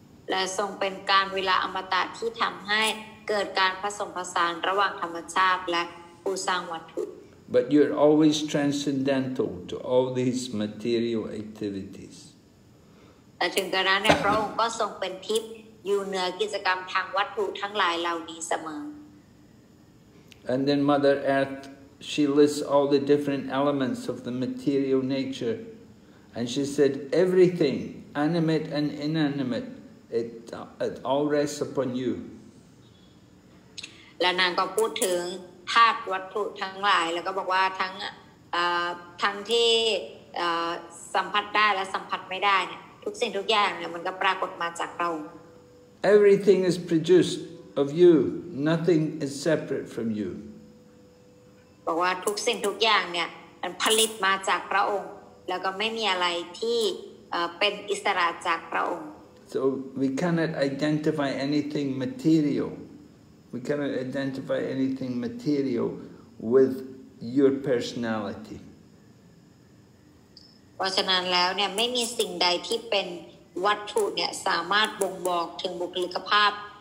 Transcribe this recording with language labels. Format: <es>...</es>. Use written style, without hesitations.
<th>และทรงเป็นการเวลาอมตะที่ทำให้เกิดการผสมผสานระหว่างธรรมชาติและอุสังวัตถุ</th> <en>But you are always transcendental to all these material activities.</en> <th>และถึงกระนั้นพระองค์ก็ทรงเป็นทิพย์อยู่เหนือกิจกรรมทางวัตถุทั้งหลายเหล่านี้เสมอ</th> <en>And then Mother Earth, she lists all the different elements of the material nature. And she said, everything, animate and inanimate, it all rests upon you.</en> <th>และนางก็พูดถึงธาตุวัตถุทั้งหลายแล้วก็บอกว่าทั้งที่สัมผัสได้และสัมผัสไม่ได้เนี่ยทุกสิ่งทุกอย่างเนี่ยมันก็ปรากฏมาจากเรา</th> <en>Everything is produced. Of you, nothing is separate from you.</en> <th>บอกว่าทุกสิ่งทุกอย่างเนี่ยมันผลิตมาจากพระองค์แล้วก็ไม่มีอะไรที่เป็นอิสระจากพระองค์</th> <en>So we cannot identify anything material. We cannot identify anything material with your personality.</en> <th>เพราะฉะนั้นแล้วเนี่ยไม่มีสิ่งใดที่เป็นวัตถุเนี่ยสามารถบ่งบอกถึงบุคลิกภาพ</th>